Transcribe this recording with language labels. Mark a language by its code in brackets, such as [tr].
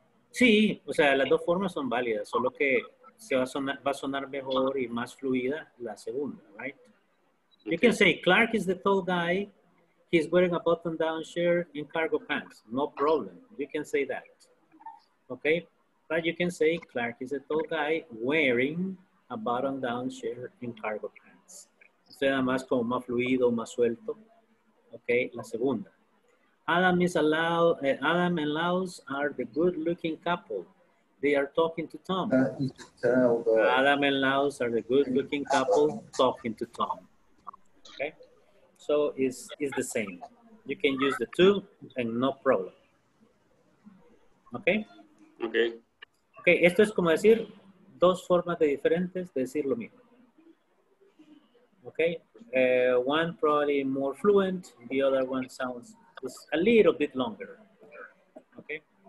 [es] Sí, o sea, las dos formas son válidas, solo que se va a sonar mejor y más fluida la segunda, [en] right? Okay. You can say, Clark is the tall guy, he's wearing a button-down shirt and cargo pants, no problem, you can say that, okay? But you can say Clark is a tall guy wearing a button-down shirt and cargo pants. [es] Usted nada más como más fluido, más suelto. Okay, la segunda. [en] Adam and Laos are the good-looking couple. They are talking to Tom. Adam and Laos are the good-looking couple talking to Tom. Okay, so it's the same. You can use the two and no problem. Okay? Okay. [es] Ok, esto es como decir dos formas de diferentes de decir lo mismo. [en] Ok, one probably more fluent, the other one sounds just a little bit longer. Ok.